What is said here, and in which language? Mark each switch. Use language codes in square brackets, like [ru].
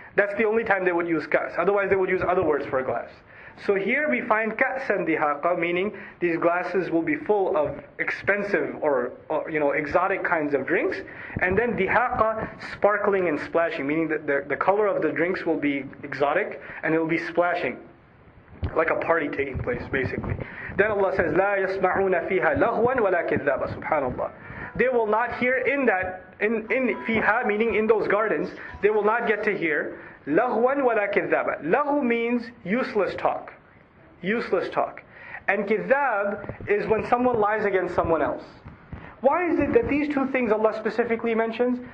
[en] That's the only time they would use ka's. Otherwise, they would use other words for a glass. So here we find ka'san dihaqa, meaning these glasses will be full of expensive or you know, exotic kinds of drinks. And then dihaqa, sparkling and splashing, meaning that the color of the drinks will be exotic and it will be splashing. Like a party taking place, basically. Then Allah says, [ar] لا يسمعون فيها لغوان ولا كذابا. [en] Subhanallah. They will not hear in that, in fiha, meaning in those gardens, they will not get to hear [ar] لغوان ولا كذابا. [en] لغو means useless talk. Useless talk. And كذاب is when someone lies against someone else. Why is it that these two things Allah specifically mentions?